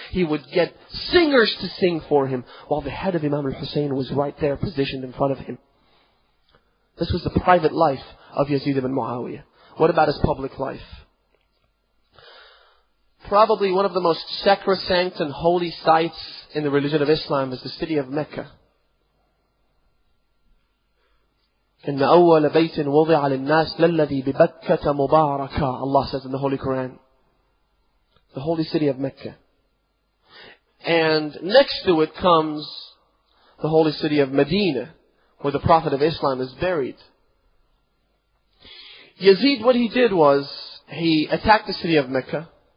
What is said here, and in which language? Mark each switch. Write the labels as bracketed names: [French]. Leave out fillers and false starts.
[English] He would get singers to sing for him while the head of Imam al-Hussein was right there positioned in front of him. This was the private life of Yazid ibn Muawiyah. What about his public life? Probably one of the most sacrosanct and holy sites in the religion of Islam is the city of Mecca. [Arabic] إن أول بيت وضع للناس للذي ببكة مباركة. [English] Allah says in the Holy Quran, the holy city of Mecca. And next to it comes the holy city of Medina, where the Prophet of Islam is buried. Yazid, what he did was, he attacked the city of Mecca.